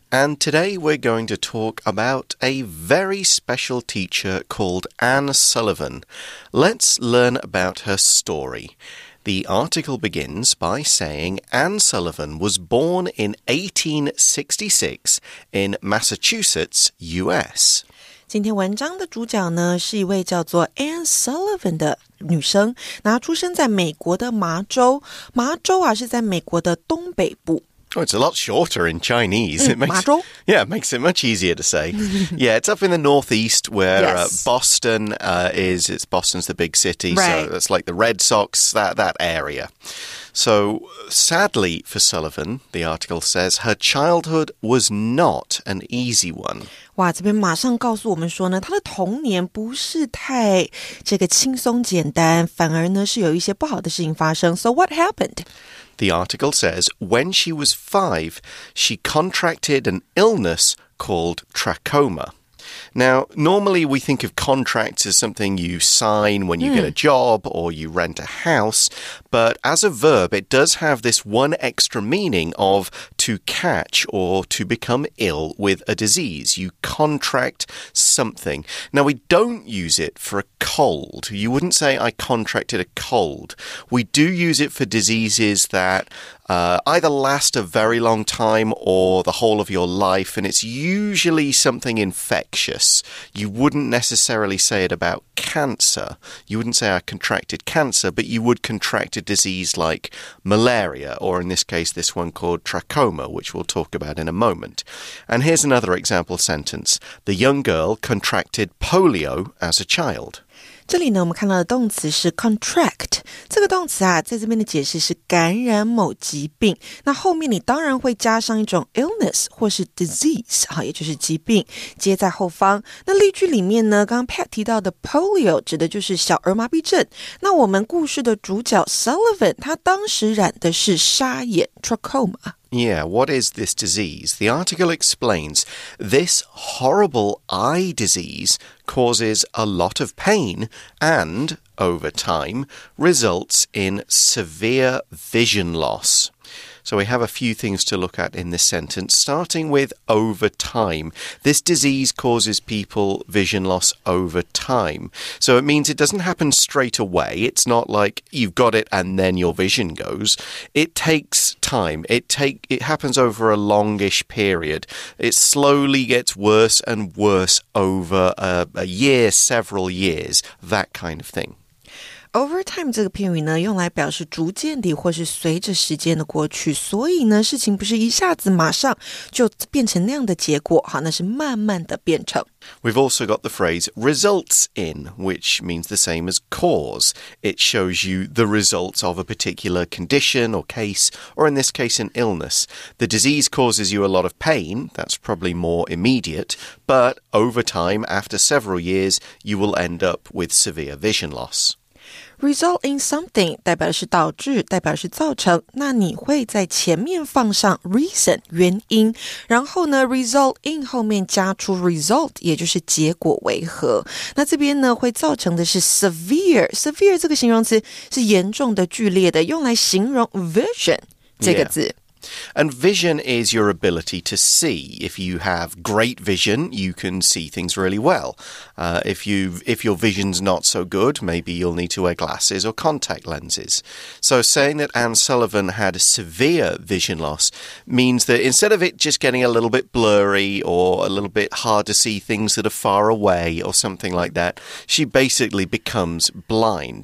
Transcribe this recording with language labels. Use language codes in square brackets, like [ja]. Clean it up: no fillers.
[en] And today we're going to talk about a very special teacher called Ann Sullivan. Let's learn about her story. The article begins by saying Ann Sullivan was born in 1866 in Massachusetts, U.S. [zh] 今天文章的主角呢，是一位叫做 Ann Sullivan 的女生，那出生在美国的麻州，麻州啊，是在美国的东北部。 [en] Oh, it's a lot shorter in Chinese. It makes it much easier to say. Yeah, it's up in the northeast where yes. Boston is. It's Boston's the big city. Right. So that's like the Red Sox, that area. So sadly for Sullivan, the article says, her childhood was not an easy one. 哇，这边马上告诉我们说呢，她的童年不是太这个轻松简单，反而呢是有一些不好的事情发生。 So what happened? The article says, when she was five, she contracted an illness called trachoma. Now, normally we think of contracts as something you sign when you get a job or you rent a house, but as a verb, it does have this one extra meaning of to catch or to become ill with a disease. You contract something. Now, we don't use it for a cold. You wouldn't say, I contracted a cold. We do use it for diseases that either last a very long time or the whole of your life, and it's usually something infectious. You wouldn't necessarily say it about cancer. You wouldn't say, I contracted cancer, but you would contract a disease like malaria, or in this case, this one called trachoma, which we'll talk about in a moment. And here's another example sentence. The young girl contracted polio as a child. [zh] 这里呢，我们看到的动词是 contract。这个动词啊，在这边的解释是感染某疾病。那后面你当然会加上一种 illness 或是 disease， 好，也就是疾病接在后方。那例句里面呢，刚刚 Pat 提到的 polio 指的就是小儿麻痹症。那我们故事的主角 Sullivan， 他当时染的是沙眼 trachoma。 [en] Yeah, what is this disease? The article explains, this horrible eye disease causes a lot of pain and, over time, results in severe vision loss. So we have a few things to look at in this sentence, starting with over time. This disease causes people vision loss over time. So it means it doesn't happen straight away. It's not like you've got it and then your vision goes. It takes... time. It happens over a longish period. It slowly gets worse and worse over a year, several years, that kind of thing. Over time [zh] 这个片语呢，用来表示逐渐地或是随着时间的过去，所以呢，事情不是一下子马上就变成那样的结果，好，那是慢慢的变成。 [en] We've also got the phrase results in, which means the same as cause. It shows you the results of a particular condition or case, or in this case, an illness. The disease causes you a lot of pain, that's probably more immediate, but over time, after several years, you will end up with severe vision loss. result in something [zh] 代表的是导致，代表的是造成，那你会在前面放上 reason 原因，然后呢 [en] result in [zh] 后面加出 result 也就是结果为何。那这边呢会造成的是 severe， severe 这个形容词是严重的剧烈的，用来形容 vision 这个字、 [en] yeah. And vision is your ability to see. If you have great vision, you can see things really well. If your vision's not so good, maybe you'll need to wear glasses or contact lenses. So saying that Anne Sullivan had severe vision loss means that instead of it just getting a little bit blurry or a little bit hard to see things that are far away or something like that, she basically becomes blind.